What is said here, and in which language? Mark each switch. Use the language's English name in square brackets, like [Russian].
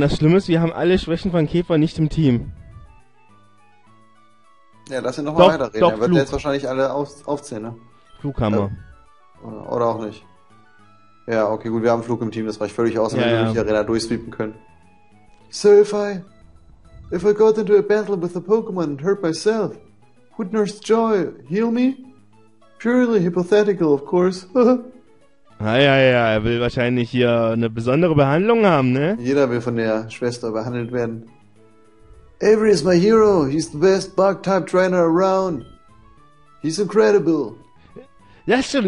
[German] Das Schlimme ist, wir haben alle Schwächen von Käfer nicht im Team. Ja, lass ihn nochmal weiterreden. Er wird jetzt wahrscheinlich alle aufzählen, ne? Flughammer. Oder auch nicht. Ja, okay, gut, wir haben Flug im Team, das reicht völlig aus, wenn wir die Arena durchsweepen können. [English] So, if I got into a battle with a Pokémon and hurt myself, would Nurse Joy heal me? Purely hypothetical, of course. [German] Ja, er will wahrscheinlich hier eine besondere Behandlung haben, ne? Jeder will von der Schwester behandelt werden. [English] Avery is my hero, he's the best Bug-type trainer around. He's incredible. [German] Ja, stimmt.